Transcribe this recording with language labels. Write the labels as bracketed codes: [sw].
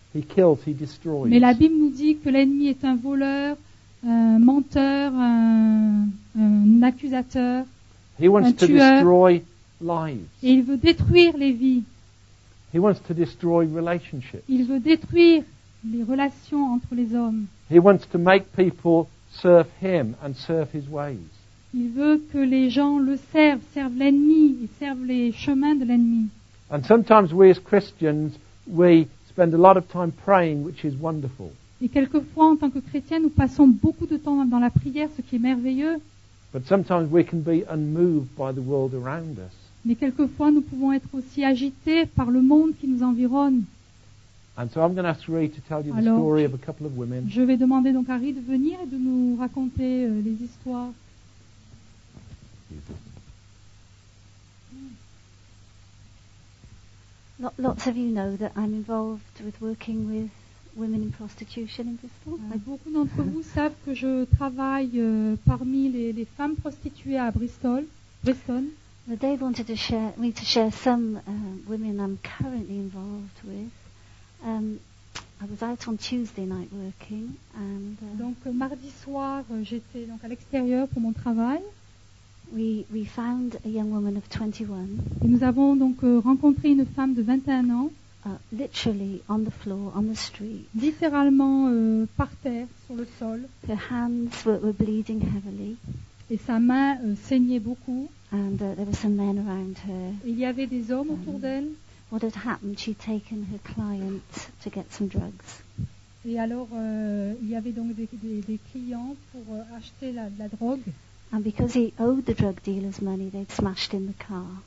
[en] He kills, he destroys. [fr] Mais la Bible nous dit que l'ennemi est un voleur, un menteur, un accusateur, [en] he wants [fr] un tueur. [en] To destroy lives. [fr] Et il veut détruire les vies. [en] He wants to destroy relationships. [fr] Il veut détruire les relations entre les hommes. [en] He wants to make people serve him and serve his ways. [fr] Il veut que les gens le servent l'ennemi et servent les chemins de l'ennemi. [en] And sometimes we as Christians, we spend a lot of time praying, which is wonderful. [fr] Et quelquefois, en tant que chrétien, nous passons beaucoup de temps dans la prière, ce qui est merveilleux. [en] But sometimes we can be unmoved by the world around us. [fr] Mais quelquefois, nous pouvons être aussi agités par le monde qui nous environne. [en] And so I'm going to ask Ree to tell you [fr] Alors, [en] the story of a couple of women. [fr] Je vais demander donc à Ree de venir et de nous raconter les histoires. [en] Lots of you know that I'm involved with working with women in prostitution in Bristol. [fr] Beaucoup d'entre vous savent que je travaille parmi les femmes prostituées à Bristol. [en] Dave wanted to share me to share some women I'm currently involved with. I was out on Tuesday night working and [fr] Donc mardi soir j'étais donc à l'extérieur pour mon travail. [en] We found a young woman of 21. [fr] Et nous avons donc rencontré une femme de 21 ans. [en] Literally on the floor, on the street. [fr] Littéralement par terre, sur le sol. [en] Her hands were bleeding heavily. [fr] Et sa main saignait beaucoup. [en] And there were some men around her. [fr] Et il y avait des hommes autour d'elle. [en] What had happened? She'd taken her client to get some drugs. [fr] Et alors il y avait donc des clients pour acheter la drogue. [en] And because he owed the drug dealers money, they'd smashed in the car.